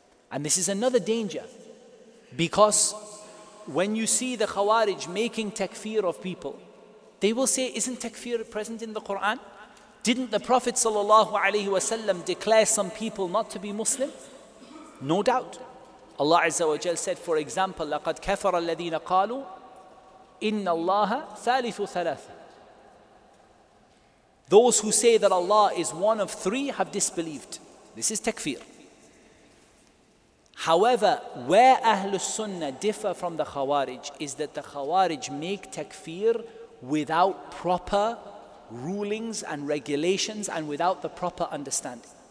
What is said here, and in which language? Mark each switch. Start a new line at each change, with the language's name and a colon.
English: And this is another danger, because when you see the Khawarij making takfir of people, they will say, isn't takfir present in the Quran? Didn't the Prophet sallallahu alaihi wasallam declare some people not to be Muslim? No doubt. Allah Azza wa Jal said, for example,
Arabic: لَقَدْ كَفَرَ الَّذِينَ قَالُوا إِنَّ اللَّهَ ثَالِثُ ثَلَاثَ.
English: Those who say that Allah is one of three have disbelieved. This is takfir. However, where Ahlus Sunnah differ from the Khawarij is that the Khawarij make takfir without proper rulings and regulations and without the proper understanding.